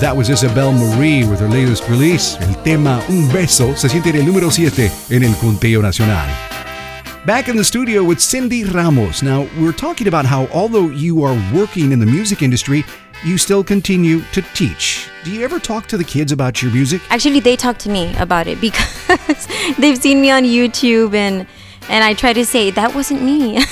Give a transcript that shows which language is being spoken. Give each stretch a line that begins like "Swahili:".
English: That was Isabel Marie with her latest release.
Spanish: El tema Un Beso se siente en el número 7 en el conteo nacional.
English: Back in the studio with Cindy Ramos. Now, we're talking about how, although you are working in the music industry, you still continue to teach. Do you ever talk to the kids about your music? Actually, they talk to me about it because they've seen me on YouTube and I try to say, that wasn't me.